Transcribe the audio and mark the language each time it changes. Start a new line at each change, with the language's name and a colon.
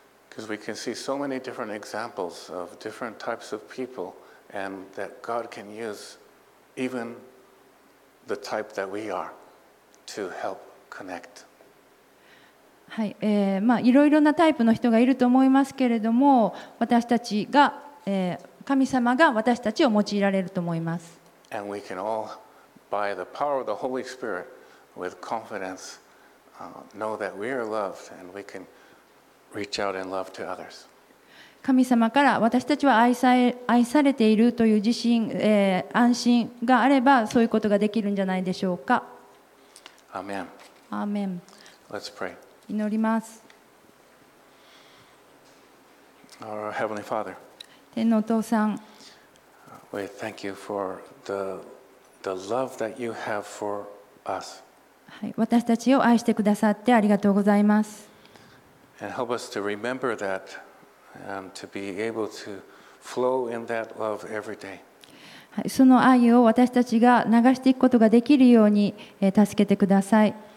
English: Because we can see so many different examples of different types of people, and that God can use even the type that we are to help connect.
Japanese: はい、まあ、いろいろなタイプの人がいると思いますけれども、私たちが、神様が私たちを用いられると思います。
English: And we can all, by the power of the Holy Spirit, with confidence, know that we are loved and we can reach out in love to others.
Japanese: 神様から私たちは愛されているという自信、安心があれば、そういうことができるんじゃないでしょうか。
English: Amen. Amen. Let's pray.
Japanese: 祈ります。
English: Our Heavenly Father,
Japanese: 天のお父さん、
English: We thank you for the love that you have for us.
Japanese: はい、私たちを愛してくださってありがとうございます。
English: And help us to remember that and to be able to flow in that love every day.
Japanese: その愛を私たちが流していくことができるように助けてください。